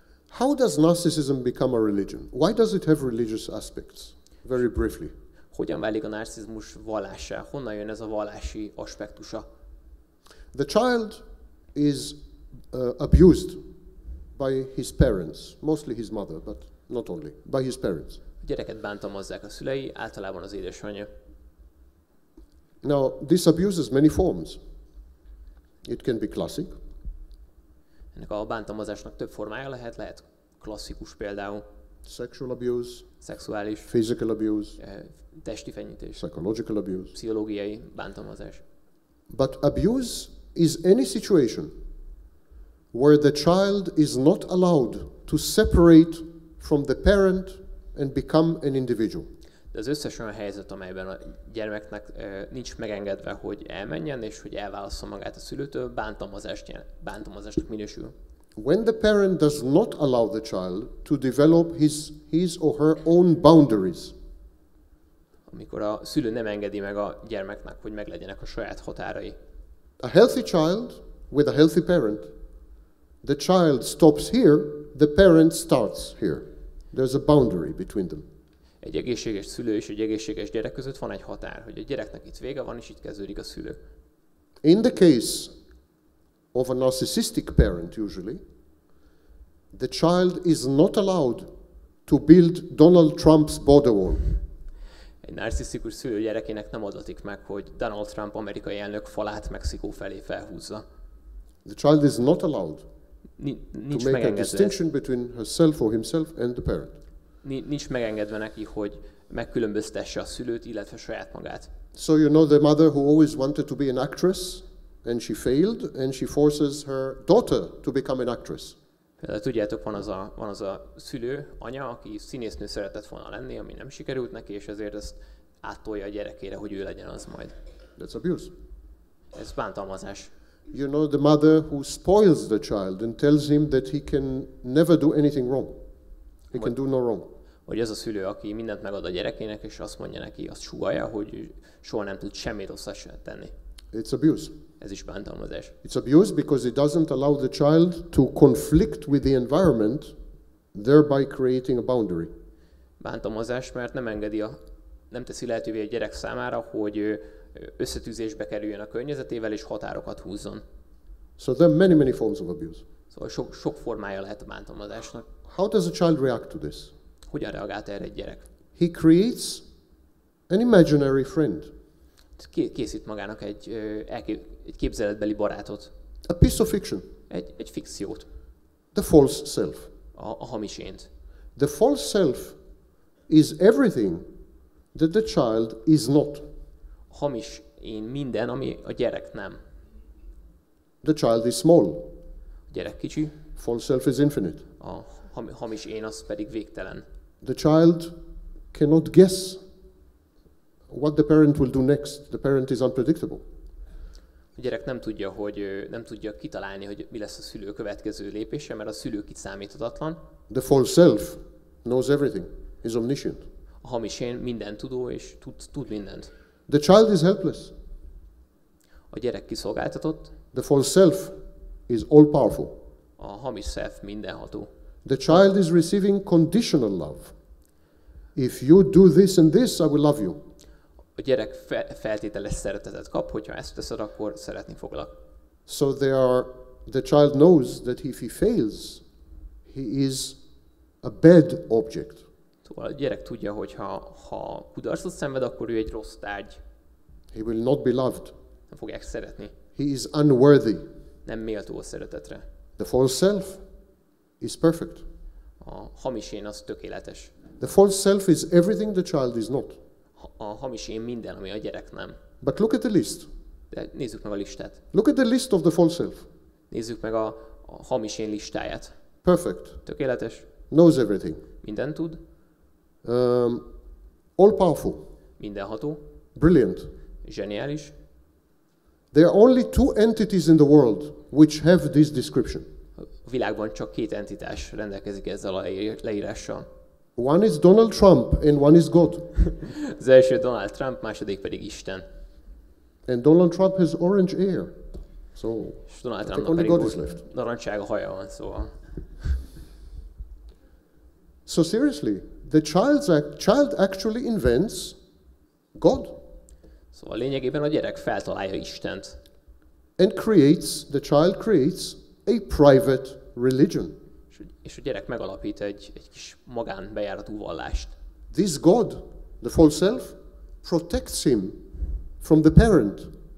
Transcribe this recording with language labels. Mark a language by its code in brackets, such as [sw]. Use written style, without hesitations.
[en] How does narcissism become a religion? Why does it have religious aspects? Very briefly. [hu] Hogyan válik a narcizmus vallássá? Honnan jön ez a vallási aspektusa? [en] The child is abused by his parents, mostly his mother, but not only, by his parents. [hu] A gyereket bántalmazzák a szülei, általában az édesanyja. [en] Now, this abuse has many forms. It can be classic. [hu] Ennek a bántalmazásnak több formája lehet klasszikus például. [en] sexual abuse, [hu] szexuális, [en] physical abuse, [hu] testi fenyítés, [en] psychological abuse, [hu] pszichológiai bántalmazás. [en] But abuse is any situation where the child is not allowed to separate from the parent and become an individual. [hu] De az összes olyan helyzet, amelyben a gyermeknek nincs megengedve, hogy elmenjen és hogy elválasszon magát a szülőtől, bántalmazásnak minősül. [en] When the parent does not allow the child to develop his or her own boundaries. [hu] Amikor a szülő nem engedi meg a gyermeknek, hogy meglegyenek a saját határai. [en] A healthy child with a healthy parent, the child stops here, the parent starts here. There's a boundary between them. [hu] Egy egészséges szülő és egy egészséges gyerek között van egy határ, hogy a gyereknek itt vége van, és itt kezdődik a szülő. [en] In the case of a narcissistic parent, usually, the child is not allowed to build Donald Trump's border wall. [hu] Egy narcisztikus szülő gyerekének nem adatik meg, hogy Donald Trump amerikai elnök falát Mexikó felé felhúzza. [en] The child is not allowed to make a distinction between herself or himself and the parent. [hu] Nincs megengedve neki, hogy megkülönböztesse a szülőt, illetve saját magát. [en] So you know the mother who always wanted to be an actress, and she failed, and she forces her daughter to become an actress. [hu] Például tudjátok, van az a szülő, anya, aki színésznő szeretett volna lenni, ami nem sikerült neki, és ezért ezt áttolja a gyerekére, hogy ő legyen az majd. [en] That's abuse. [hu] Ez bántalmazás. [en] You know the mother who spoils the child and tells him that he can never do anything wrong. He can do no wrong. [hu] Vagy az a szülő, aki mindent megad a gyerekének, és azt mondja neki, azt sugallja, hogy soha nem tud semmit rosszat tenni. [en] It's abuse. [hu] Ez is bántalmazás. [en] It's abuse because it doesn't allow the child to conflict with the environment, thereby creating a boundary. [hu] Bántalmazás, mert nem teszi lehetővé a gyerek számára, hogy összetűzésbe kerüljön a környezetével és határokat húzzon. [en] So there are many, many forms of abuse. [hu] Szóval sok formája lehet a bántalmazásnak. [en] How does a child react to this? [hu] Hogyan reagált erre egy gyerek? [en] He creates an imaginary friend. [hu] Készít magának egy képzeletbeli barátot. [en] A piece of fiction. [hu] Egy fikciót. [en] The false self. [hu] A hamis ént. [en] The false self is everything that the child is not. [hu] A hamis én minden, ami a gyerek nem. [en] The child is small. [hu] A gyerek kicsi. [en] False self is infinite. [hu] A hamis én az pedig végtelen. [en] The child cannot guess what the parent will do next. The parent is unpredictable. [hu] A gyerek nem tudja kitalálni, hogy mi lesz a szülő következő lépése, mert a szülő kiszámíthatatlan. [en] The false self knows everything. He's omniscient. [hu] A hamis én minden tudó és tud mindent. [en] The child is helpless. [hu] A gyerek kiszolgáltatott. [en] The false self is all powerful. [hu] A hamis self mindenható. [en] The child is receiving conditional love. If you do this and this, I will love you. [hu] A gyerek feltételes szeretetet kap, hogyha ezt teszed, akkor szeretni foglak. [en] So the child knows that if he fails, he is a bad object. [hu] Szóval a gyerek tudja, hogy ha kudarcot szenved, akkor ő egy rossz tárgy. [en] He will not be loved. [hu] Nem fogják szeretni. [en] He is unworthy. [hu] Nem méltó a szeretetre. [en] The false self is perfect. [hu] A hamis én az tökéletes. [en] The false self is everything the child is not. [hu] A hamis én minden, ami a gyerek nem. [en] But look at the list. [hu] De nézzük meg a listát. [en] Look at the list of the false self. [hu] Nézzük meg a hamis én listáját. [en] Perfect. [hu] Tökéletes. [en] Knows everything. [hu] Minden tud. [en] All powerful. [hu] Mindenható. [en] Brilliant. [hu] Zseniális. [en] There are only two entities in the world which have this description. [hu] A világban csak két entitás rendelkezik ezzel a leírással. [en] One is Donald Trump and one is God. [hu] Az első Donald Trump, második pedig Isten. [en] And Donald Trump has orange hair. So, [hu] és Donald Trump pedig [en] God is left. [hu] Narancsága haja van, szóval. [en] So seriously, the child actually invents God. [hu] Szóval lényegében a gyerek feltalálja Istent. [en] And creates, the child creates a private religion. [hu] És a gyerek megalapít egy kis magán bejáratú vallást. [en] This God, the false self, protects him from the parent.